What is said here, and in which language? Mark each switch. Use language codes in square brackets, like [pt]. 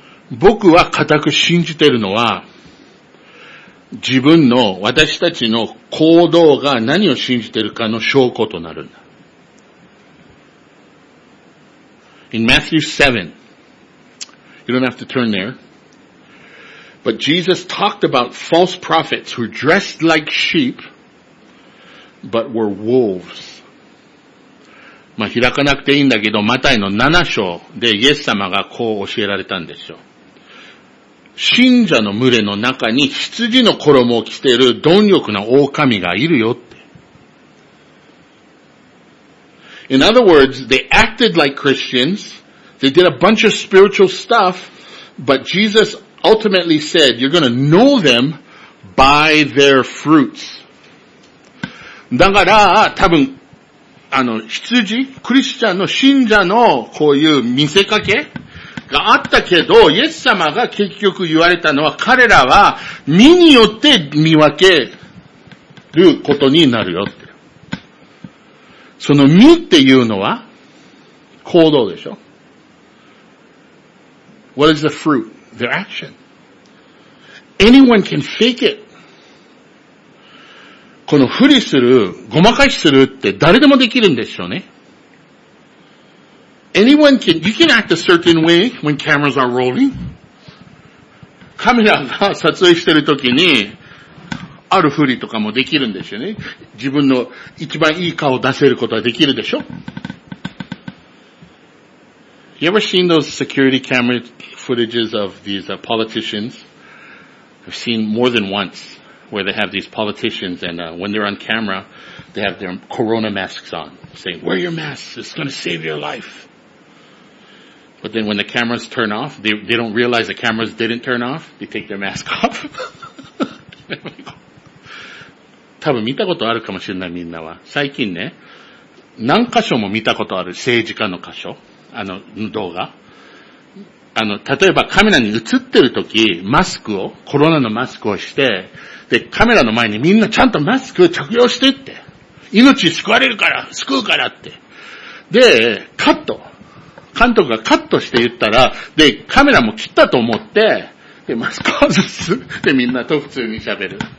[ja] 僕は固く信じているのは、自分の、私たちの行動が何を信じているかの証拠となるんだ。 [en] In Matthew 7, you don't have to turn there, but Jesus talked about false prophets who dressed like sheep, but were wolves. [ja] まあ、開かなくていいんだけど、マタイの7章でイエス様がこう教えられたんですよ。信者の群れの中に羊の衣を着ている貪欲な狼がいるよって。 [en] In other words, they acted like Christians. They did a bunch of spiritual stuff. But Jesus ultimately said, you're going to know them by their fruits. [ja] だから、多分、あの、羊、クリスチャンの信者のこういう見せかけがあったけど、イエス様が結局言われたのは、彼らは身によって見分けることになるよって。その身っていうのは、行動でしょ。 [en] What is the fruit? Their action. Anyone can fake it. [ja] このふりする、ごまかしするって誰でもできるんでしょうね。 [en] Anyone can, you can act a certain way when cameras are rolling. [ja] カメラが撮影してるときに、あるふりとかもできるんでしょうね。自分の一番いい顔を出せることはできるでしょ。 [en] You ever seen those security camera footages of these politicians? I've seen more than once where they have these politicians and when they're on camera, they have their corona masks on saying, wear your masks, it's going to save your life. But then when the cameras turn off, they don't realize the cameras didn't turn off, they take their mask off. [ja] 多分見たことあるかもしれないみんなは。最近ね、何箇所も見たことある政治家の箇所。あの動画、あの例えばカメラに映ってる時マスクをコロナのマスクをして、でカメラの前にみんなちゃんとマスク着用してって、命救われるから救うからって、でカット、監督がカットして言ったら、でカメラも切ったと思って、でマスク外すでみんなと普通に喋る。